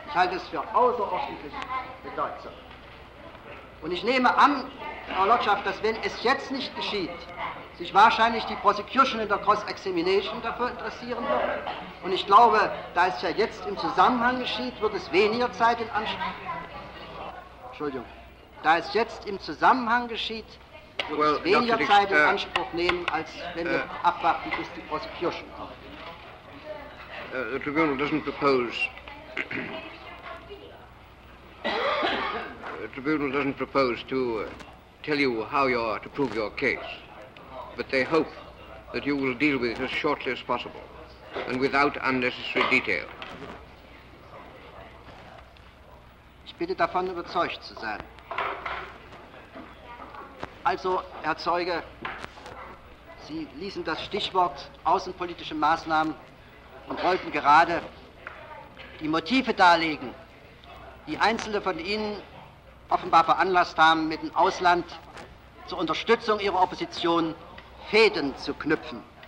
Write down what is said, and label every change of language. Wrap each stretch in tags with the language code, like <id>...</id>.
<de>Ich halte es für außerordentlich bedeutsam. Und ich nehme an, Frau Lotschaft, dass wenn es jetzt nicht geschieht, sich wahrscheinlich die Prosecution in der Cross-Examination dafür interessieren wird. Und ich glaube, da es ja jetzt im Zusammenhang geschieht, wird es weniger Zeit in Anspruch. Entschuldigung. Da es jetzt im Zusammenhang geschieht, wird es weniger Zeit in Anspruch nehmen, als wenn wir abwarten, bis die Prosecution kommt.</de> <en>The Tribunal doesn't propose. The Tribunal doesn't propose to tell you how you are to prove your case, but they hope that you will deal with it as shortly as possible and without unnecessary detail.</en> <de>Ich bitte davon überzeugt zu sein. Also, Herr Zeuge, Sie ließen das Stichwort außenpolitische Maßnahmen und wollten gerade die Motive darlegen, die einzelne von Ihnen offenbar veranlasst haben, mit dem Ausland zur Unterstützung ihrer Opposition Fäden zu knüpfen.</de>